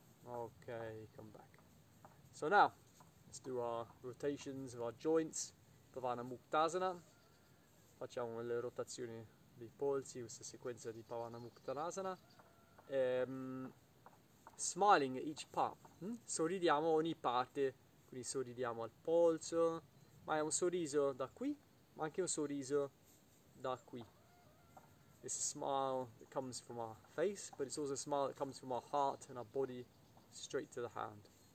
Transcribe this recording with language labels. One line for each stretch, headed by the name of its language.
English: Okay, come back. So now, let's do our rotations of our joints. Pavana Muktasana.
Italian: Facciamo le rotazioni dei polsi, questa sequenza di Pavana Muktasana.
English: Smiling at each part.
Italian: Sorridiamo ogni parte. Quindi sorridiamo al polso. Ma è un sorriso da qui, ma anche un sorriso da qui.
English: It's a smile that comes from our face, but it's also a smile that comes from our heart and our body. Straight to the hand.